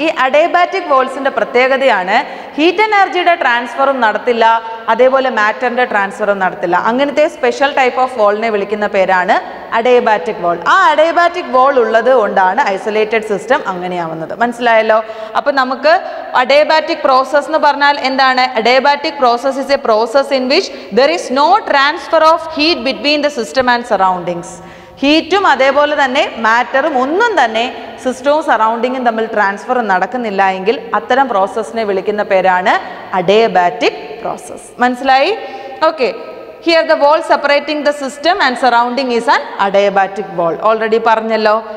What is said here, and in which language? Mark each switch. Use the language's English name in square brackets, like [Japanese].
[Malayalam] ഈ അഡയബാറ്റിക് വോൾസിൻ്റെ പ്രത്യേകതയാണ് ഹീറ്റ് എനർജിയുടെ ട്രാൻസ്ഫറും നടത്തില്ല, അതേപോലെ മാറ്ററിൻ്റെ ട്രാൻസ്ഫറും നടത്തില്ല. അങ്ങനത്തെ സ്പെഷ്യൽ ടൈപ്പ് ഓഫ് വോളിനെ വിളിക്കുന്ന പേരാണ് അഡയബാറ്റിക് വോൾ. ആ അഡയബാറ്റിക് വോൾ ഉള്ളത് കൊണ്ടാണ് ഐസൊലേറ്റഡ് സിസ്റ്റം അങ്ങനെയാവുന്നത്. മനസ്സിലായല്ലോ? അപ്പോൾ നമുക്ക് അഡയബാറ്റിക് പ്രോസസ്സ് എന്ന് പറഞ്ഞാൽ എന്താണ്? [English] Adiabatic process is a process in which there is no transfer of heat between the system and surroundings. [Malayalam] ഹീറ്റും അതേപോലെ തന്നെ മാറ്ററും ഒന്നും തന്നെ സിസ്റ്റവും സറൗണ്ടിങ്ങും തമ്മിൽ ട്രാൻസ്ഫർ നടക്കുന്നില്ല എങ്കിൽ അത്തരം പ്രോസസ്സിനെ വിളിക്കുന്ന പേരാണ് അഡയബാറ്റിക് പ്രോസസ്. മനസ്സിലായി? [English] Okay, here the wall separating the system and surrounding is an adiabatic wall. [Malayalam] Already പറഞ്ഞല്ലോ.